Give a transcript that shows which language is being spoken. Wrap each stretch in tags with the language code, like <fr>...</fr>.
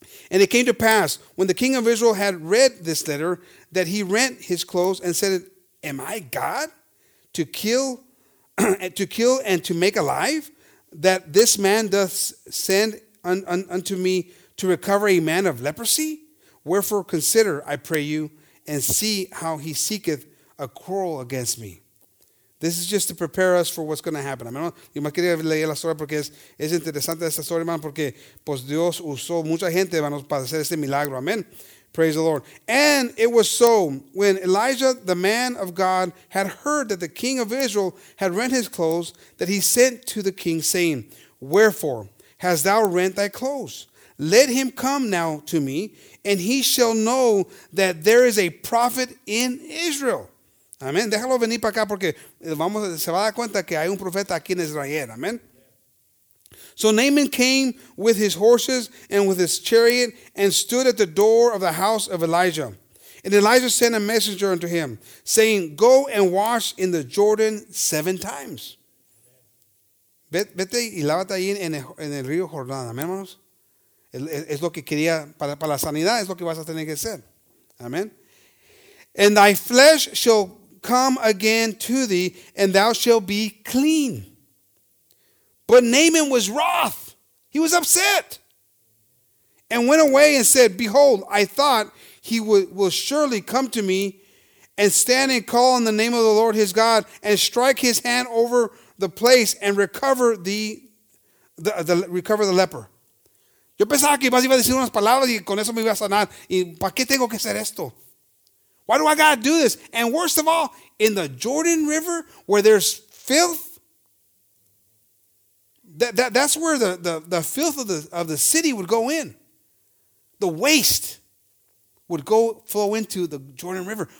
<en>And it came to pass, when the king of Israel had read this letter, that he rent his clothes and said, am I God to kill to kill and to make alive, that this man doth send unto me to recover a man of leprosy? Wherefore consider, I pray you, and see how he seeketh a quarrel against me. This is just to prepare us for what's going to happen. Amen.</en> <es>Yo me quería leer la historia porque es interesante esta historia, hermano, porque pues Dios usó mucha gente, hermanos, para hacer este milagro.</es> <en>Amen. Praise the Lord. And it was so, when Elijah, the man of God, had heard that the king of Israel had rent his clothes, that he sent to the king, saying, wherefore hast thou rent thy clothes? Let him come now to me, and he shall know that there is a prophet in Israel. Amen.</en> <es>Déjalo venir para acá porque vamos, se va a dar cuenta que hay un profeta aquí en Israel.</es> <en>Amen. So Naaman came with his horses and with his chariot and stood at the door of the house of Elijah. And Elijah sent a messenger unto him, saying, go and wash in the Jordan 7 times.</en> <es>Vete y lávate ahí en el río Jordán. Amén, hermanos. Es lo que quería para la sanidad, es lo que vas a tener que hacer.</es> <en>Amén. And thy flesh shall come again to thee, and thou shalt be clean. But Naaman was wroth. He was upset. And went away and said, behold, I thought he will surely come to me and stand and call on the name of the Lord his God and strike his hand over the place and recover the leper.</en> <es>Yo pensaba que iba a decir unas palabras y con eso me iba a sanar. ¿Y para qué tengo que hacer esto?</es> <en>Why do I got to do this? And worst of all, in the Jordan River where there's filth, That's where the filth of the city would go in. The waste would go flow into the Jordan River.</en>